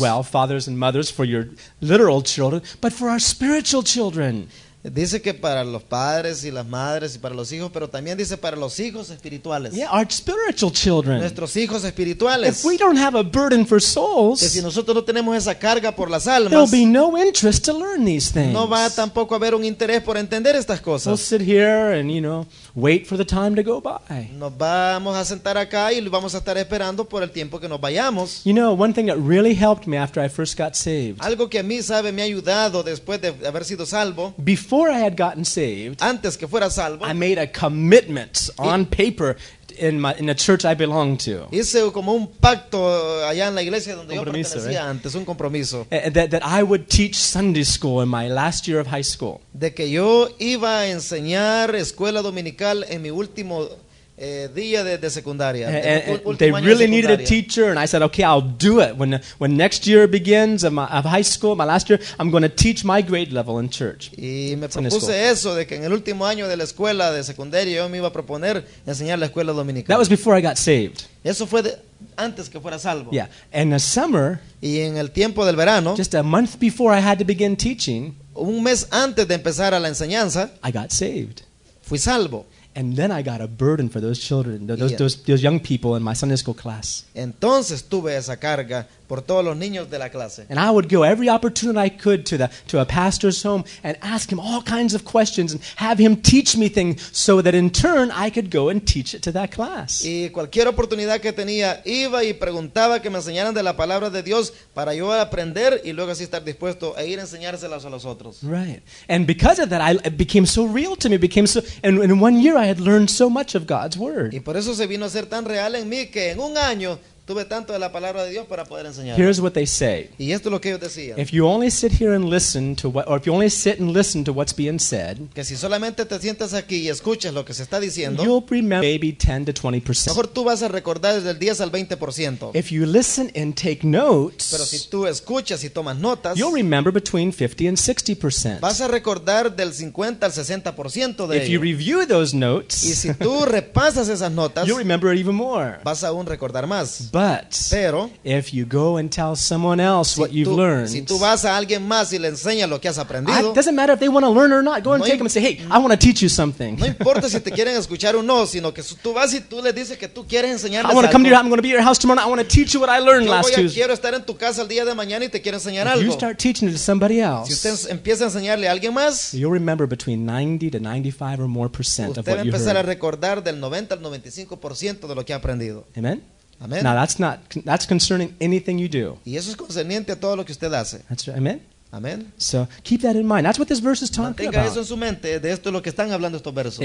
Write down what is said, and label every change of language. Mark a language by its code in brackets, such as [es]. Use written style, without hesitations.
[en] Well, fathers and mothers for your literal children, but for our spiritual children. [es] Dice que para los padres y las madres y para los hijos, pero también dice para los hijos espirituales. [en] Yeah, our spiritual children. [es] Nuestros hijos espirituales. [en] If we don't have a burden for souls, [es] que si nosotros no tenemos esa carga por las almas, [en] there'll be no interest to learn these things. [es] No va tampoco a haber un interés por entender estas cosas. [en] We'll sit here and, you know, wait for the time to go by. [es] Nos vamos a sentar acá y vamos a estar esperando por el tiempo que nos vayamos. [en] You know, one thing that really helped me after I first got saved. [es] Algo que a mí, sabe, me ha ayudado después de haber sido salvo. [en] Before I had gotten saved, [es] antes que fuera salvo, [en] I made a commitment on paper in the church I belonged to. [es] Hice como un pacto allá en la iglesia donde yo pertenecía antes, un compromiso. [en] That I would teach Sunday school in my last year of high school. [es] De que yo iba a enseñar escuela dominical en mi último día de secundaria. [en] They really needed a teacher, and I said, "Okay, I'll do it." When next year begins of high school, my last year, I'm going to teach my grade level in church. [es] Y me propuse eso de que en el último año de la escuela de secundaria yo me iba a proponer enseñar la escuela dominical. [en] That was before I got saved. [es] Eso fue antes que fuera salvo. [en] Yeah, in the summer. [es] Y en el tiempo del verano. [en] Just a month before I had to begin teaching. [es] Un mes antes de empezar a la enseñanza. [en] I got saved. [es] Fui salvo. [en] And then I got a burden for those children, those young people in my Sunday school class. [es] Entonces tuve esa carga por todos los niños de la clase. [en] And I would go every opportunity I could to a pastor's home and ask him all kinds of questions and have him teach me things so that in turn I could go and teach it to that class. [es] Y cualquier oportunidad que tenía iba y preguntaba que me enseñaran de la palabra de Dios para yo aprender y luego así estar dispuesto a ir a enseñárselas a los otros. [en] Right. And because of that, it became so real to me. Became so. And in 1 year, I had learned so much of God's word. [es] Y por eso se vino a ser tan real en mí que en un año tuve tanto de la palabra de Dios para poder enseñar. [en] Here's what they say. [es] Y esto es lo que ellos decían. [en] If you only sit here and listen to what, or if you only sit and listen to what's being said, [es] que si solamente te sientas aquí y escuchas lo que se está diciendo, [en] you'll remember maybe 10 to 20%. [es] Mejor tú vas a recordar desde el 10 al 20%. [en] If you listen and take notes, [es] pero si tú escuchas y tomas notas, [en] you'll remember between 50 and 60%. [es] Vas a recordar del 50 al 60% de [en] If you review those notes, [es] y si tú repasas esas notas, [en] you'll remember it even more. [es] Vas aún recordar más. [en] But But [es] pero, [en] if you go and tell someone else [es] si [en] what you've [es] tú, [en] learned, [es] si tú vas a alguien más y le enseñas lo que has aprendido, [en] it doesn't matter if they want to learn or not. Go and take them and say, hey, I want to teach you something. [es] No importa si te quieren escuchar o no, sino que tú vas y tú le dices que tú quieres enseñarles algo. [en] I want to come to your house. I'm going to be at your house tomorrow. I want to teach you what I learned [es] yo [en] last [es] voy a, [en] Tuesday. [es] Quiero estar en tu casa el día de mañana y te quiero enseñar [en] if [es] algo. [en] You start teaching it to somebody else. [es] Si usted empieza a enseñarle a alguien más, [en] you'll remember between 90 to 95 or more percent of what you heard. [es] Usted va a empezar a recordar del 90 al 95% de lo que ha aprendido. Amen. Amen. [en] Now that's concerning anything you do. [es] Y eso es concerniente a todo lo que usted hace. [en] That's right. Amen. Amen. So keep that in mind. That's what this verse is talking [es] mantenga [en] about. [es] Eso en su mente, de esto es lo que están hablando estos versos.